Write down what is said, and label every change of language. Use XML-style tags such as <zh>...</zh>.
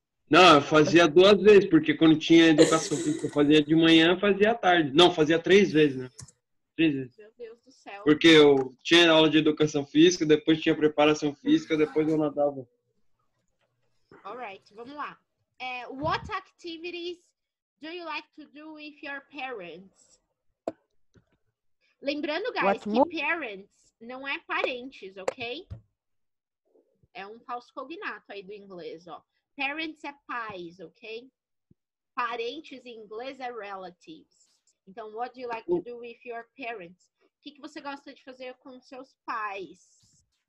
<pt>Não, eu fazia 2 vezes, porque quando tinha educação física, eu fazia de manhã, fazia à tarde. Não, fazia 3 vezes, né? 3 vezes. Meu Deus do céu. Porque eu tinha aula de educação física, depois tinha preparação física, depois eu nadava. Alright, vamos lá.</pt> <en>What activities do you like to do with your parents?</en> <pt>Lembrando, guys, que parents não é parentes, ok? É um falso cognato aí do inglês, ó. Parents é pais, ok? Parentes em inglês é relatives.</pt> <en>Então, what do you like to do with your parents?</en> <pt>O que, que você gosta de fazer com seus pais?</pt>